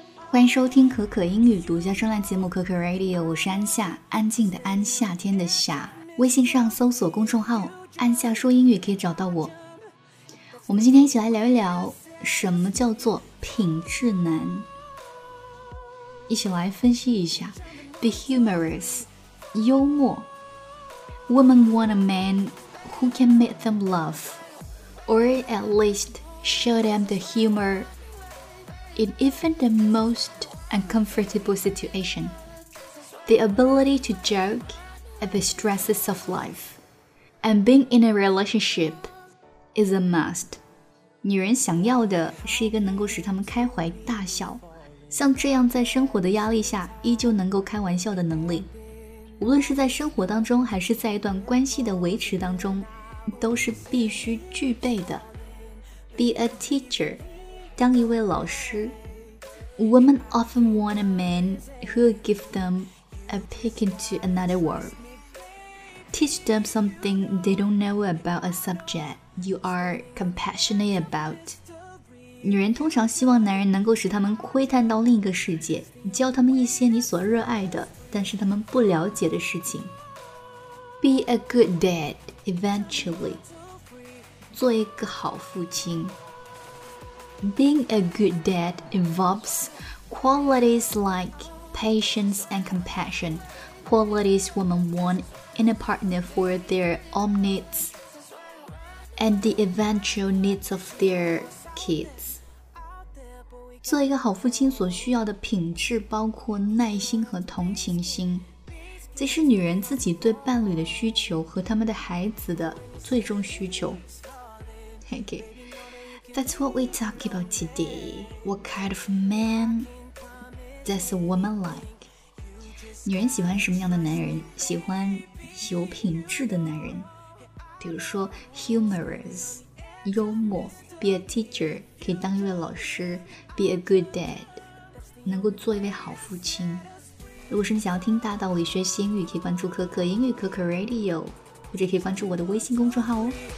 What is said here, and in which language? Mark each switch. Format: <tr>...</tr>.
<zh>欢迎收听可可英语独家专栏节目可可 Radio， 我是安夏，安静的安，夏天的夏。微信上搜索公众号安夏说英语可以找到我。我们今天一起来聊一聊什么叫做品质男，一起来分析一下。</zh> <en>Be humorous，</en> <zh>幽默。</zh> <en>Women want a man who can make them laugh or at least show them the humorIn even the most uncomfortable situation, the ability to joke at the stresses of life, and being in a relationship is a must.</en> <zh>女人想要的是一个能够使她们开怀大笑，像这样在生活的压力下依旧能够开玩笑的能力。无论是在生活当中，还是在一段关系的维持当中，都是必须具备的。</zh> <en>Be a teacher.</en> <zh>当一位老师。</zh> <en>Women often want a man who will give them a peek into another world. Teach them something they don't know about a subject you are compassionate about.</en> <zh>女人通常希望男人能够使他们窥探到另一个世界，教他们一些你所热爱的，但是他们不了解的事情。</zh> <en>Be a good dad eventually.</en> <zh>做一个好父亲。</zh> <en>Being a good dad involves qualities like patience and compassion, qualities women want in a partner for their own needs and the eventual needs of their kids.</en> <zh>做一个好父亲所需要的品质包括耐心和同情心，这是女人自己对伴侣的需求和他们的孩子的最终需求。</zh> <en>Thank you. That's what we talk about today. What kind of man does a woman like?</en> <zh>女人喜欢什么样的男人？喜欢有品质的男人。比如说 humorous, 幽默。</zh> <en>Be a teacher,</en> <zh>可以当一位老师。</zh> <en>Be a good dad,</en> <zh>能够做一位好父亲。如果是你想要听大道理学习英语，可以关注可可英语可可 Radio, 或者可以关注我的微信公众号哦。</zh>